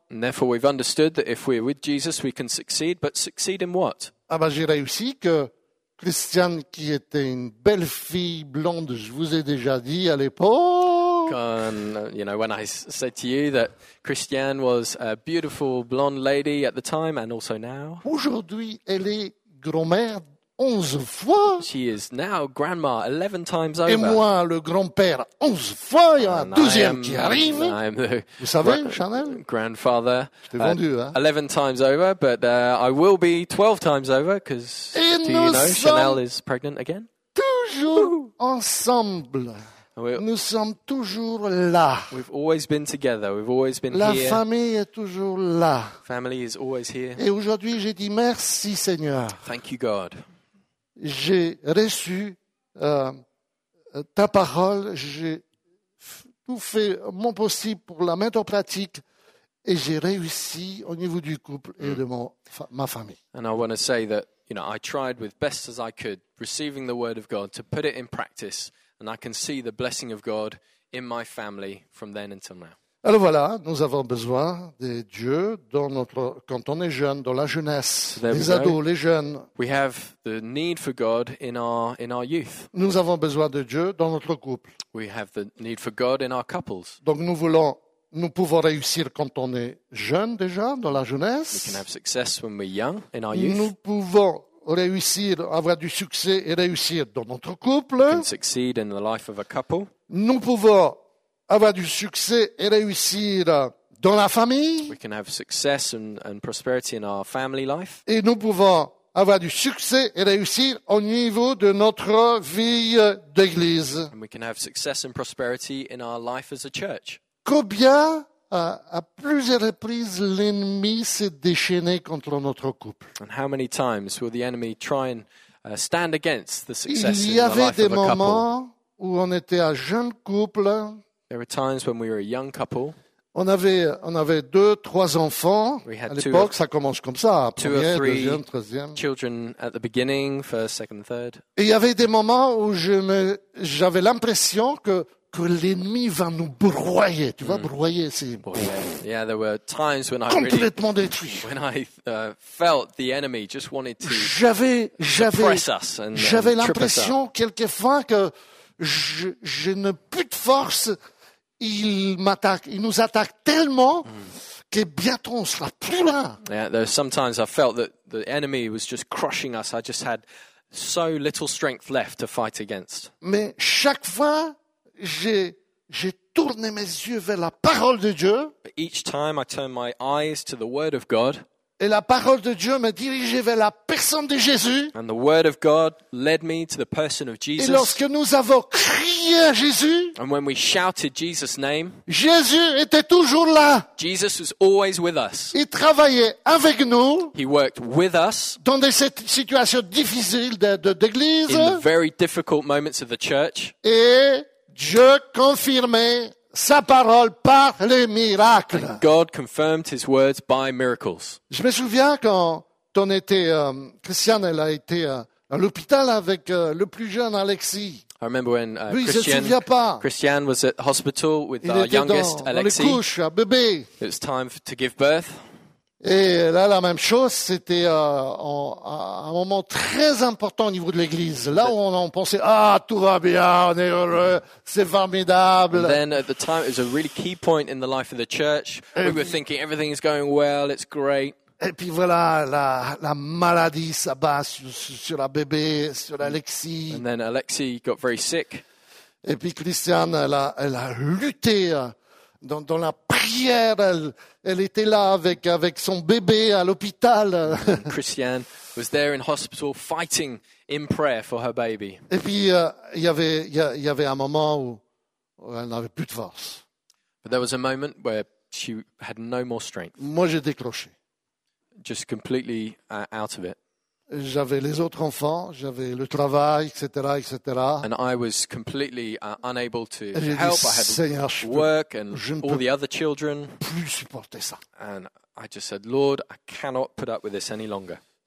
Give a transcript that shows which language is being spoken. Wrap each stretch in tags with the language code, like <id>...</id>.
<en>And therefore, we've understood that if we're with Jesus, we can succeed. But succeed in what?</en> <fr>Ah ben, j'ai réussi que Christiane, qui était une belle fille blonde, je vous ai déjà dit à l'époque,</fr> <en>When I said to you that Christiane was a beautiful blonde lady at the time and also now.</en> <fr>Aujourd'hui, elle est grand-mère 11 fois.</fr> <en>She is now grandma 11 times over.</en> <fr>Et moi, le grand-père 11 fois, il y a un deuxième qui arrive.</fr> <en>I'm</en> <fr>Vous savez, Chanel?</fr> <en>Grandfather.</en> <fr>Je t'ai vendu, hein?</fr> <en>11 times over, but I will be 12 times over because, do you know, Chanel is pregnant again?</en> <fr>Toujours ensemble. Nous sommes toujours là.</fr> <en>We've always been together. We've always been</en> <fr>La</fr> <en>here.</en> <fr>La famille est toujours là.</fr> <en>Family is always here.</en> <fr>Et aujourd'hui, j'ai dit merci, Seigneur.</fr> <en>Thank you, God.</en> <fr>J'ai reçu ta parole. J'ai tout fait mon possible pour la mettre en pratique. Et j'ai réussi au niveau du couple et de ma famille.</fr> <en>And I want to say that, you know, I tried with best as I could, receiving the word of God, to put it in practice. And I can see the blessing of God in my family from then until now.</en> <fr>Alors voilà, nous avons besoin de Dieu dans notre quand on est jeune, dans la jeunesse, les ados, les jeunes.</fr> <en>We have the need for God in our youth.</en> <fr>Nous avons besoin de Dieu dans notre couple.</fr> <en>We have the need for God in our couples.</en> <fr>Donc nous voulons, nous pouvons réussir quand on est jeune déjà dans la jeunesse.</fr> <en>We can have success when we're young in our youth.</en> <fr>Nous pouvons réussir, avoir du succès et réussir dans notre couple.</fr> <en>We can succeed in the life of a couple.</en> <fr>Nous pouvons avoir du succès et réussir dans la famille.</fr> <en>We can have success and prosperity in our family life.</en> <fr>Et nous pouvons avoir du succès et réussir au niveau de notre vie d'église.</fr> <en>And we can have success and prosperity in our life as a church.</en> <fr>Combien, à plusieurs reprises, l'ennemi s'est déchaîné contre notre couple.</fr> <en>And how many times will the enemy try and stand against the success in the life of a couple?</en> <fr>Il y avait des moments où on était un jeune couple.</fr> <en>There were times when we were a young couple.</en> <fr>On avait deux, trois enfants.</fr> <en>We had</en> <fr>à l'époque, ça commence comme ça. Premier, deuxième, troisième.</fr> <en>Children at the beginning, first, second, third.</en> <fr>Et il y avait des moments où j'avais l'impression que l'ennemi va nous broyer. Tu vois, broyer, c'est.</fr> <en>Well, yeah, there were times when</en> <fr>complètement</fr> <en>I really,</en> <fr>détruit.</fr> <en>When I felt the enemy just wanted to suppress us and</en> <fr>j'avais l'impression quelquefois que je n'ai plus de force. Il m'attaque, il nous attaque tellement que bientôt on sera plus là.</fr> <en>Yeah, there sometimes I felt that the enemy was just crushing us. I just had so little strength left to fight against.</en> <fr>Mais chaque fois, j'ai tourné mes yeux vers la parole de Dieu.</fr> <en>But each time I turned my eyes to the word of God.</en> <fr>Et la parole de Dieu me dirigeait vers la personne de Jésus.</fr> <en>And the word of God led me to the person of Jesus.</en> <fr>Et lorsque nous avons crié à Jésus,</fr> <en>and when we shouted Jesus' name,</en> <fr>Jésus était toujours là.</fr> <en>Jesus was always with us.</en> <fr>Il travaillait avec nous.</fr> <en>He worked with us.</en> <fr>Dans des situations difficiles d'église.</fr> <en>In the very difficult moments of the church.</en> <fr>Et Dieu confirmait sa parole par les miracles.</fr> <en>And God confirmed his words by miracles.</en> <fr>Je me souviens quand on était Christiane, elle a été à l'hôpital avec le plus jeune Alexis.</fr> <en>I remember when Christiane was at hospital with</en> <fr>il</fr> <en>our youngest</en> <fr>dans,</fr> <en>Alexis.</en> <fr>Dans les couches, un bébé.</fr> <en>It was time to give birth.</en> <fr>Et là la même chose, c'était un moment très important au niveau de l'église. Là où on pensait ah tout va bien, on est heureux, c'est formidable.</fr> <en>And then at the time it was a really key point in the life of the church. Et we were thinking everything is going well, it's great.</en> <fr>Et puis voilà la maladie s'abat sur la bébé, sur Alexis.</fr> <en>And then Alexis got very sick.</en> <fr>Et puis Christiane elle a lutté dans la prière, elle était là avec son bébé à l'hôpital.</fr> <en>Christiane was there in hospital fighting in prayer for her baby.</en> <fr>Et puis il y avait un moment où elle n'avait plus de force.</fr> <en>But there was a moment where she had no more strength.</en> <fr>Moi j'ai décroché.</fr> <en>Just completely out of it.</en> <fr>J'avais les autres enfants, j'avais le travail, etc., etc.</fr> <en>And I was completely unable to help. I had work and all the other children.</en> <fr>Plus supporter ça.</fr> <en>And I just said, Lord, I cannot put up with this any longer.</en>